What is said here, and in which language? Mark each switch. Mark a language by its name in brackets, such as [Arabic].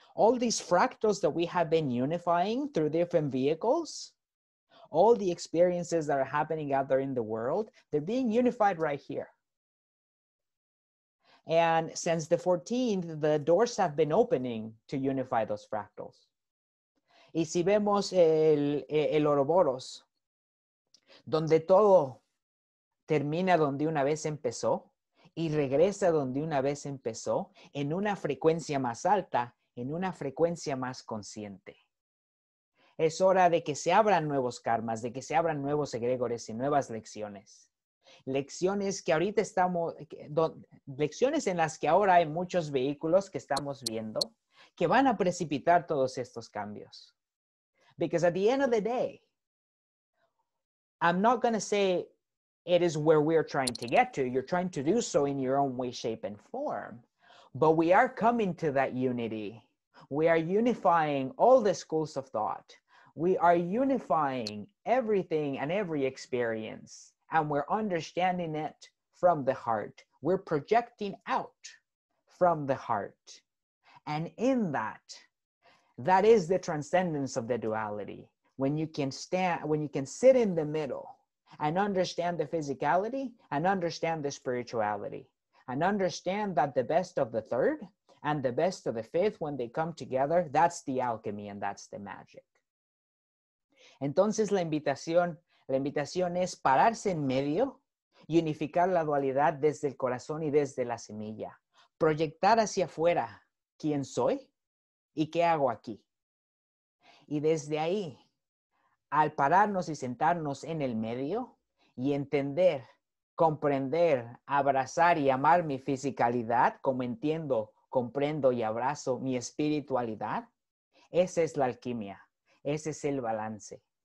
[English] All these fractals that we have been unifying through different vehicles, all the experiences that are happening out there in the world, they're being unified right here. And since the 14th, the doors have been opening to unify those fractals. [Spanish] Y si vemos el Ouroboros, donde todo termina donde una vez empezó, y regresa donde una vez empezó, en una frecuencia más alta, en una frecuencia más consciente. Es hora de que se abran nuevos karmas, de que se abran nuevos egregores y nuevas lecciones. Lecciones que ahorita estamos, lecciones en las que ahora hay muchos vehículos que estamos viendo que van a precipitar todos estos cambios. [English] Because at the end of the day, I'm not going to say it is where we are trying to get to. You're trying to do so in your own way, shape, and form. But we are coming to that unity. We are unifying all the schools of thought. We are unifying everything and every experience. And we're understanding it from the heart. We're projecting out from the heart. And in that, that is the transcendence of the duality. When you can sit in the middle and understand the physicality and understand the spirituality and understand that the best of the third and the best of the fifth, when they come together, that's the alchemy and that's the magic. [Spanish] Entonces, la invitación es pararse en medio y unificar la dualidad desde el corazón y desde la semilla. Proyectar hacia afuera quién soy y qué hago aquí. Y desde ahí, al pararnos y sentarnos en el medio y entender, comprender, abrazar y amar mi fisicalidad, como entiendo, comprendo y abrazo mi espiritualidad, esa es la alquimia, ese es el balance.